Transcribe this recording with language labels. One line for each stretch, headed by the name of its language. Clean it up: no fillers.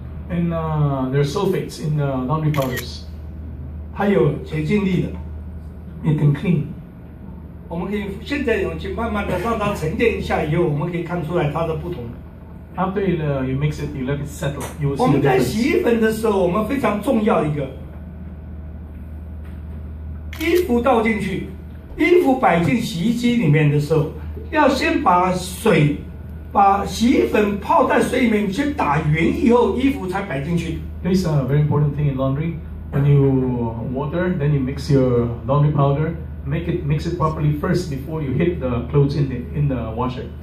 English: And there are sulfates in the laundry powders.
Chinese: 它有洁净力的。
English: It can clean.
Chinese: 我们可以现在用去慢慢的让它沉淀一下，以后我们可以看出来它的不同。
English: After you mix it, you let it settle. You will see.
Chinese: 我们在洗衣粉的时候，我们非常重要一个，衣服倒进去，衣服摆进洗衣机里面的时候，要先把水，把洗衣粉泡在水里面先打匀以后，衣服才摆进去。
English: This is a very important thing in laundry. When you water, then you mix your laundry powder. Mix it properly first before you hit the clothes in the washer.